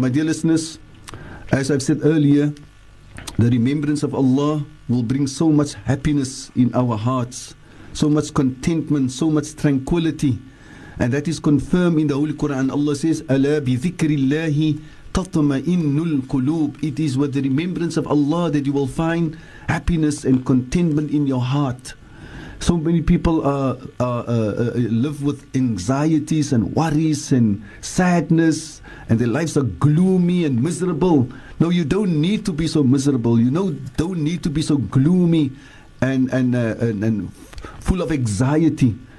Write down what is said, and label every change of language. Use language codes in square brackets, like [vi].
[en] My dear listeners, as I've said earlier, the remembrance of Allah will bring so much happiness in our hearts, so much contentment, so much tranquility. And that is confirmed in the Holy Quran. [ar] Allah says, أَلَا بِذِكْرِ اللَّهِ تَطْمَئِنُّ الْقُلُوبِ. [en] It is with the remembrance of Allah that you will find happiness and contentment in your heart. So many people live with anxieties and worries and sadness, and their lives are gloomy and miserable. No, you don't need to be so miserable. You know, don't need to be so gloomy and full of anxiety.